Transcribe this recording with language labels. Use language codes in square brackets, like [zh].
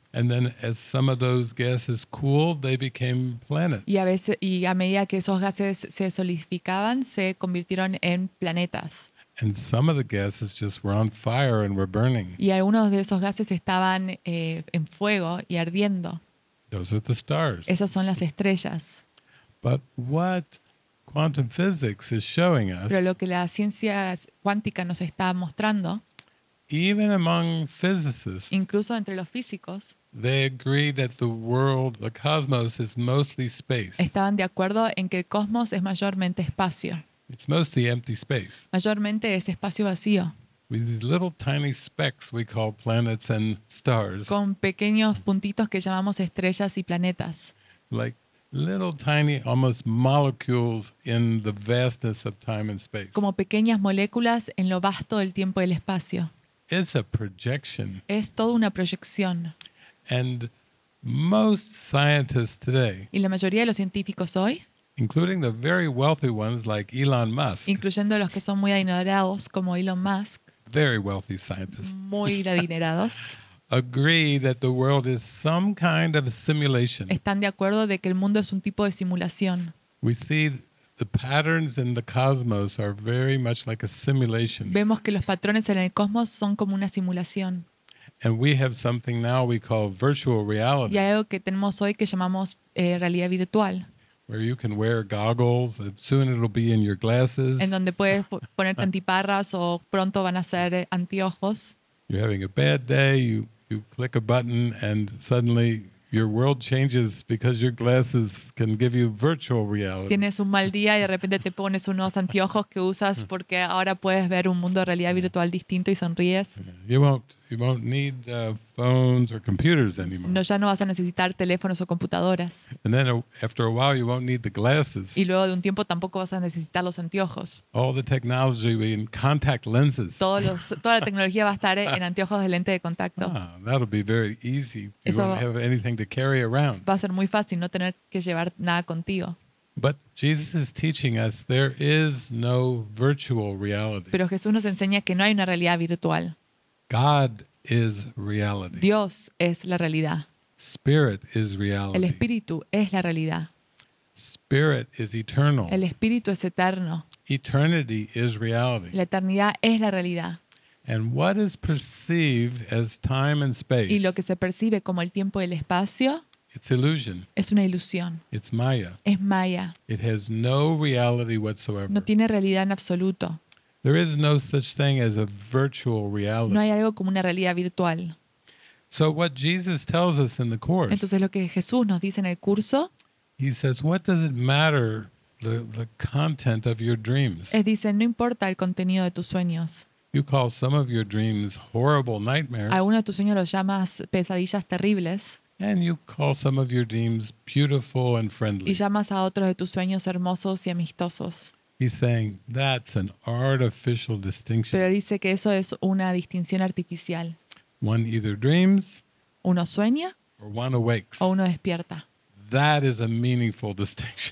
[en] And then as some of those gases cooled, they became planets. [es] Y a medida que esos gases se solidificaban, se convirtieron en planetas. [en] And some of the gases just were on fire and were burning. [es] Y algunos de esos gases estaban en fuego y ardiendo. [en] Those are the stars. [es] Esas son las estrellas. [en] But what quantum physics is showing us? [es] Pero lo que la ciencia cuántica nos está mostrando. [en] Even among physicists. [es] Incluso entre los físicos. [en] They agree that the world, the cosmos is mostly space. [es] Estaban de acuerdo en que el cosmos es mayormente espacio. [en] It's mostly empty space. [es] Mayormente es espacio vacío. [en] With these little tiny specks we call planets and stars. [es] Con pequeños puntitos que llamamos estrellas y planetas. [en] Like little tiny almost molecules in the vastness of time and space. [es] Como pequeñas moléculas en lo vasto del tiempo y el espacio. [en] It's a projection. [es] Es toda una proyección. [en] And most scientists today, [es] y la mayoría de los científicos hoy, [en] including the very wealthy ones like Elon Musk, [es] incluyendo los que son muy adinerados como Elon Musk, [en] very wealthy scientists, [es] muy adinerados, [en] agree that the world is some kind of simulation. [es] Están de acuerdo de que el mundo es un tipo de simulación. [en] We see the patterns in the cosmos are very much like a simulation. [es] Vemos que los patrones en el cosmos son como una simulación. [en] And we have something now we call virtual reality. [es] Y hay algo que tenemos hoy que llamamos realidad virtual. [en] Where you can wear goggles, soon it'll be in your glasses. [es] En donde puedes ponerte antiparras o pronto van a ser anteojos. [en] You're having a bad day, you click a button and suddenly your world changes because your glasses can give you virtual reality. [es] Tienes un mal día y de repente te pones unos anteojos que usas porque ahora puedes ver un mundo de realidad virtual distinto y sonríes. [en] You won't need phones or computers anymore. [es] No, ya no vas a necesitar teléfonos o computadoras. [en] And then after a while you won't need the glasses. [es] Y luego de un tiempo tampoco vas a necesitar los anteojos. [en] All the technology will be in contact lenses. [es] Toda la tecnología va a estar en anteojos de lente de contacto. [en] Ah, that'll be very easy. You won't have anything to carry around. [es] Va a ser muy fácil no tener que llevar nada contigo. [en] But Jesus is teaching us there is no virtual reality. [es] Pero Jesús nos enseña que no hay una realidad virtual. [en] God is reality. [es] Dios es la realidad. [en] Spirit is reality. [es] El espíritu es la realidad. [en] Spirit is eternal. [es] El espíritu es eterno. [en] Eternity is reality. [es] La eternidad es la realidad. [en] And what is perceived as time and space? [es] Y lo que se percibe como el tiempo y el espacio? [en] It's illusion. [es] Es una ilusión. [en] It's maya. [es] Es maya. [en] It has no reality whatsoever. [es] No tiene realidad en absoluto. [en] There is no such thing as a virtual reality. [es] No hay algo como una realidad virtual. [en] So what Jesus tells us in the course. [es] Entonces lo que Jesús nos dice en el curso. [en] He says, what does it matter the content of your dreams? [es] Él dice, no importa el contenido de tus sueños. [en] You call some of your dreams horrible nightmares. [es] Algunos de tus sueños los llamas pesadillas terribles. [en] And you call some of your dreams beautiful and friendly. [es] Y llamas a otros de tus sueños hermosos y amistosos. [en] He's saying that's an artificial distinction. [es] Pero dice que eso es una distinción artificial. [en] One either dreams, [es] uno sueña, [en] or one awakes, [es] o uno despierta. [en] That is a meaningful distinction.